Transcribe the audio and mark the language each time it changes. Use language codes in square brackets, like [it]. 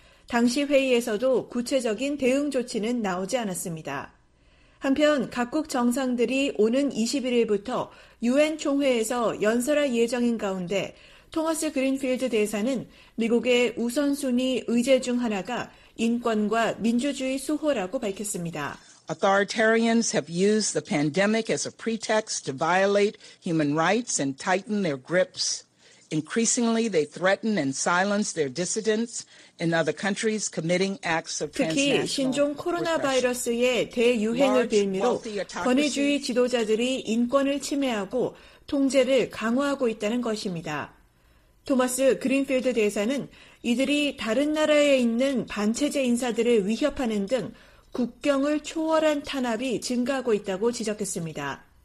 [ko] 당시 회의에서도 구체적인 대응 조치는 나오지 않았습니다. 한편 각국 정상들이 오는 21일부터 유엔 총회에서 연설할 예정인 가운데 토머스 그린필드 대사는 미국의 우선순위 의제 중 하나가 인권과 민주주의 수호라고 밝혔습니다. [en] Authoritarians have used the pandemic as a pretext to violate human rights and tighten their grips. Increasingly, they threaten and silence their dissidents in other countries committing acts of transnational. [ko] 특히 신종 코로나 바이러스의 대유행을 빌미로 권위주의 지도자들이 인권을 침해하고 통제를 강화하고 있다는 것입니다. 토마스 그린필드 대사는 이들이 다른 나라에 있는 반체제 인사들을 위협하는 등 국경을 초월한 탄압이 증가하고 있다고 지적했습니다.